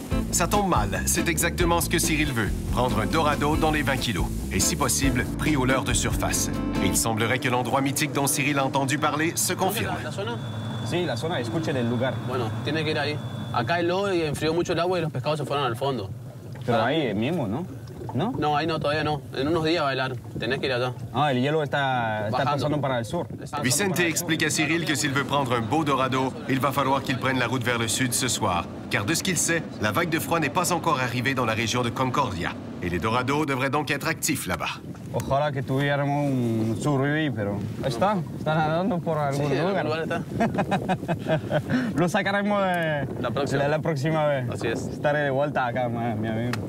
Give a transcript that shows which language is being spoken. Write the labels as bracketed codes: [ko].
[fr] Ça tombe mal, c'est exactement ce que Cyril veut, prendre un dorado dans les 20 kilos, et si possible, pris au leurre de surface. Il semblerait que l'endroit mythique dont Cyril a entendu parler se confirme. [es] Sí, la zona, escuchen el lugar. Bueno, tiene que ir ahí. Acá el lodo y enfrió mucho el agua y los pescados se fueron al fondo. Pero ahí mismo, ¿no? ¿No? No, ahí no, todavía no. En unos días va a helar. Tenés que ir allá. Ah, el hielo está pasando para el sur. [fr] Vicente explique à Cyril que s'il veut prendre un beau dorado, il va falloir qu'il prenne la route vers le sud ce soir. Car de ce qu'il sait, la vague de froid n'est pas encore arrivée dans la région de Concordia. Et les dorados devraient donc être actifs là-bas. [es] Ojalá que tuviéramos un surubí, pero está nadando por algún sí, lugar. Lugar está. Lo sacaremos de la próxima vez. Así es. Estaré de vuelta acá, mi amigo.